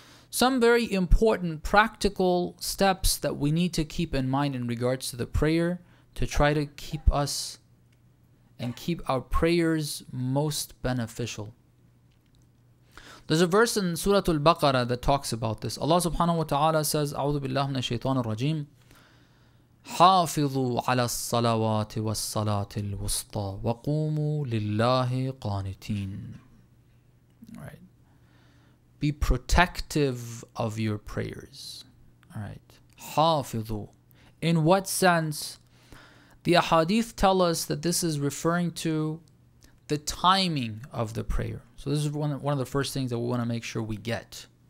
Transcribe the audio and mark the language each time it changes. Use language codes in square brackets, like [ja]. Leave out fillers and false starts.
[en] Some very important practical steps that we need to keep in mind in regards to the prayer to try to keep us and keep our prayers most beneficial. There's a verse in Surah Al-Baqarah that talks about this. Allah subhanahu wa ta'ala says, [ar] A'udhu billahi minash shaitanir rajim. حافظوا على الصلوات والصلاة الوسطى وقوموا لله قانتين. [en] Right. Be protective of your prayers. Alright. حافظوا. In what sense? The ahadith tell us that this is referring to the timing of the prayer. So this is one of the first things that we want to make sure we get.